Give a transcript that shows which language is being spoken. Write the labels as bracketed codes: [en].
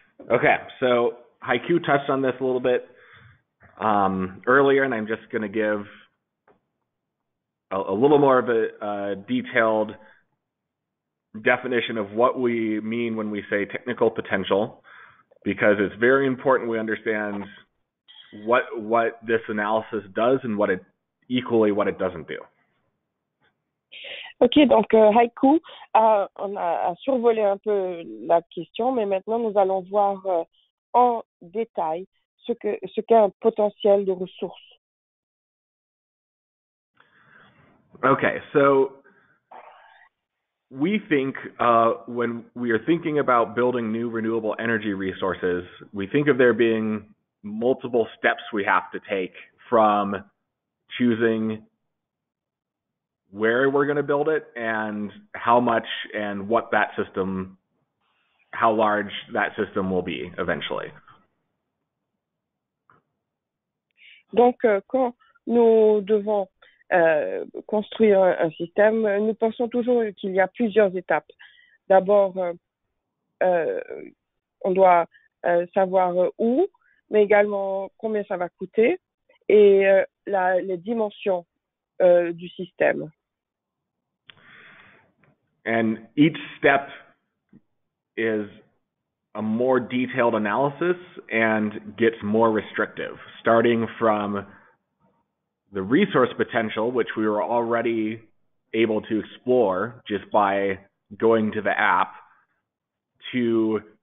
[en] Okay, so Haiku touched on this a little bit earlier, and I'm just gonna give a little more of a detailed definition of what we mean when we say technical potential, because it's very important we understand what this analysis does and what it equally what it doesn't do. [fr] OK, donc Haiku, on a survolé un peu la question, mais maintenant nous allons voir en détail ce qu'est un potentiel de ressources. [en] OK, so we think when we are thinking about building new renewable energy resources, we think of there being multiple steps we have to take from choosing where we're going to build it and how much and what that system, how large that system will be eventually. [fr] Donc, quand nous devons construire un système, nous pensons toujours qu'il y a plusieurs étapes. D'abord, on doit savoir où, mais également combien ça va coûter et les dimensions du système. [en] And each step is a more detailed analysis and gets more restrictive, starting from the resource potential, which we were already able to explore just by going to the app, to